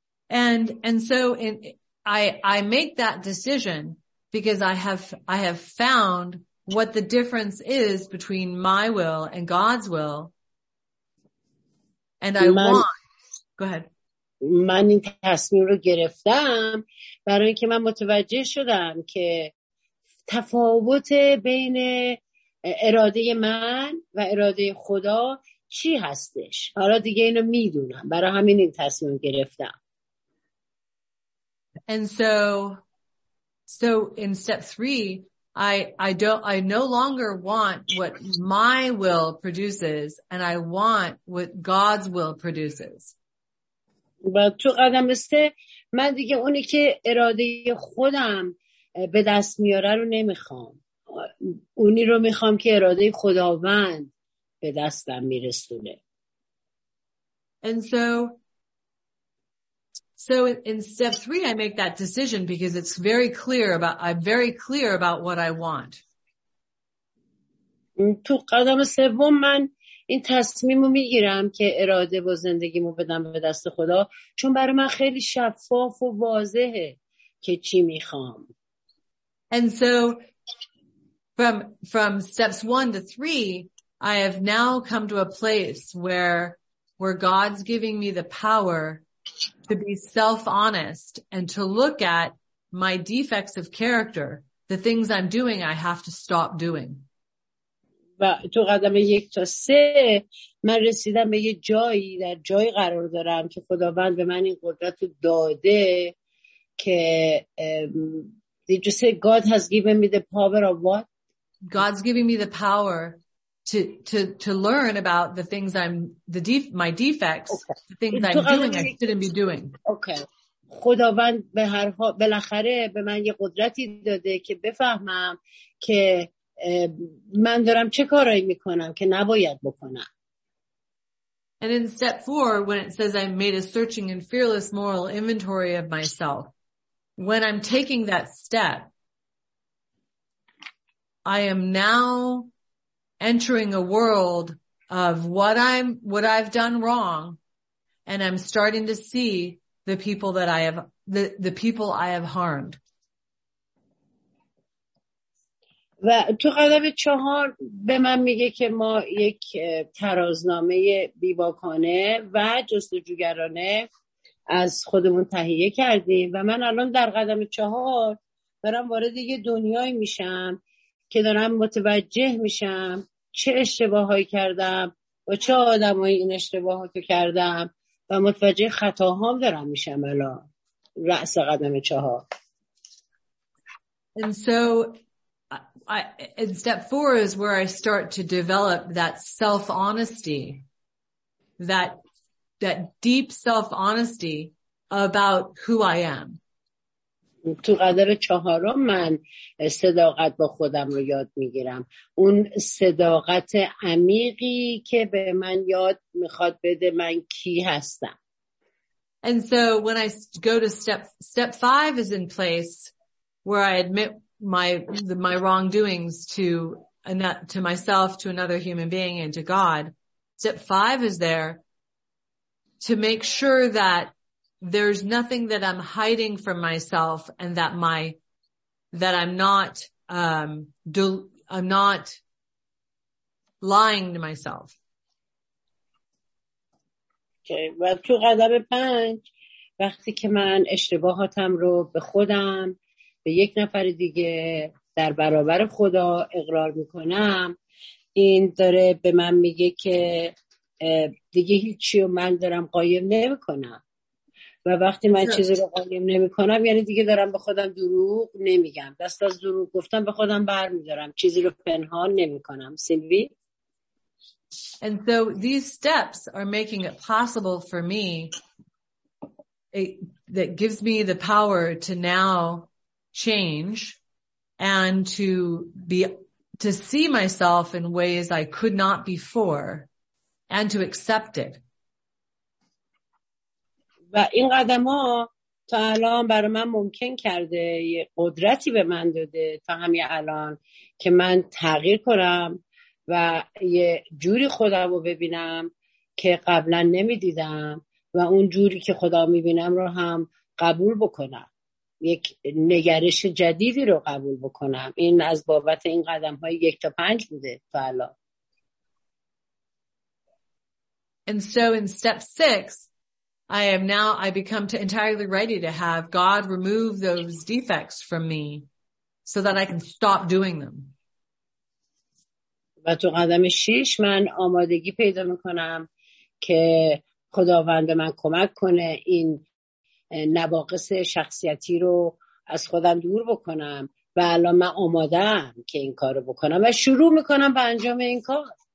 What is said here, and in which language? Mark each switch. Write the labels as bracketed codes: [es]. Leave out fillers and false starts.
[en] And so I make that decision because I have found what the difference is between my will and God's will. And I want. Go ahead. [fa] من این تصمیم رو گرفتم برای اینکه من متوجه شدم که تفاوت بین اراده من و اراده خدا چی هستش. حالا دیگه اینو میدونم، برای همین این تصمیم گرفتم. [en] And so in step 3 I no longer want what my will produces and I want what God's will produces. [fa] و تو قدم 3 من دیگه اونی که اراده خودم به دست میاره رو نمیخوام، اونی رو میخوام که اراده خداوند به دستم میرسونه. [en] And so in step 3 I make that decision because it's very clear about what I want. [fa] تو قدم سوم من این تصمیمو میگیرم که اراده و زندگیمو بدم به دست خدا، چون برای من خیلی شفاف و واضحه که چی میخوام. [en] And so from steps 1 to 3 I have now come to a place where God's giving me the power to be self-honest and to look at my defects of character, the things I'm doing I have to stop doing. [fa] و تو قدم 1 تا 3 من رسیدم به یه جایی، در جایی قرار دارم که خداوند به من این قدرت رو داده که [en] did you say God has given me the power of what? God's giving me the power to learn about the things I'm my defects, okay. The things I'm doing I shouldn't be doing. Okay. [fa] خداوند به هر حال بالاخره به من یه قدرتی داده که بفهمم که من دارم چه کارایی میکنم که نباید بکنم. [en] And in step 4 when it says I made a searching and fearless moral inventory of myself, when I'm taking that step I am now entering a world of what I've done wrong, and I'm starting to see the people that I have, the people I have harmed. [fa] و تو قدم چهار به من میگه که ما یک ترازنامه بیباکانه و جستجوگرانه از خودمون تهیه کردیم و من الان در قدم چهار دارم وارد یه دنیای میشم که دارم متوجه میشم چه اشتباهایی کردم و چه آدمایی این اشتباهاتو کردم و متوجه خطاهام دارم میشم الان رأس قدم چهار. [en] And so and step four is where I start to develop that self-honesty, that deep self-honesty about who I am. [fa] تو قدر چهارم من صداقت با خودم رو یاد میگیرم. اون صداقت عمیقی که به من یاد میخواد بده من کی هستم. [en] And so when I go to step five is in place where I admit my wrongdoings to myself, to another human being, and to God. Step five is there to make sure that there's nothing that I'm hiding from myself, and that I'm not lying to myself. Okay, well, two [fa] قدم پنج وقتی که من اشتباهاتم رو به خودم به یک نفر دیگه در برابر خدا اقرار میکنم، این داره به من میگه که دیگه هیچی رو من دارم قایم نمیکنم و وقتی من چیزی رو قایم نمیکنم یعنی دیگه دارم به خودم دروغ نمیگم، دست از دروغ گفتم به خودم بر میدارم، چیزی رو پنهان نمیکنم. سیلوی. [en] And so these steps are making it possible for me that gives me the power to now change and to see myself in ways I could not before and to accept it. [fa] و این قدم ها تا الان برای من ممکن کرده، یه قدرتی به من داده تا همین الان که من تغییر کنم و یه جوری خودم رو ببینم که قبلا نمی دیدم و اون جوری که خدا می بینم رو هم قبول بکنم، یک نگرش جدیدی رو قبول بکنم. این از بابت این قدم های یک تا پنج بوده تا الان. [en] And so in step six, I become entirely ready to have God remove those defects from me so that I can stop doing them. [fa] و تو قدم شیش من آمادگی پیدا میکنم که خداوند من کمک کنه این نواقص شخصیتی رو از خودم دور بکنم و الان من آمادم که این کار رو بکنم و شروع میکنم به انجام این کار.